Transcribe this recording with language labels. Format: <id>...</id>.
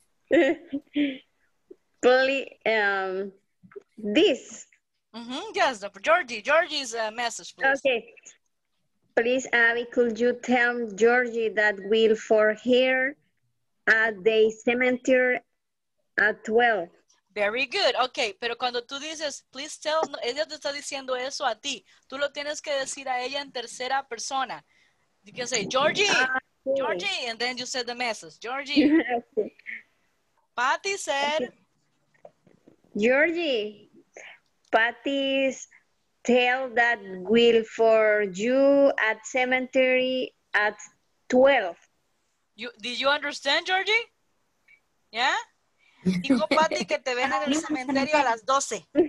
<en>Please, this. Mm-hmm, yes, Georgie's message, please. Okay. Please, Abby, could you tell Georgie that we'll for here at the cemetery at 12? Very good.</en> <es>Okay, pero cuando tú dices,</es> <en>please tell,</en> <es>no, ella te está diciendo eso a ti. Tú lo tienes que decir a ella en tercera persona.</es> <en>You can say, Georgie, okay. Georgie, and then you said the message. Georgie. Patty said. Okay. Georgie, Patty tell that will for you at cemetery at 12. Did you understand, Georgie? Yeah.</en> <es>Dijo Patty que te ven en el cementerio a las 12.</es>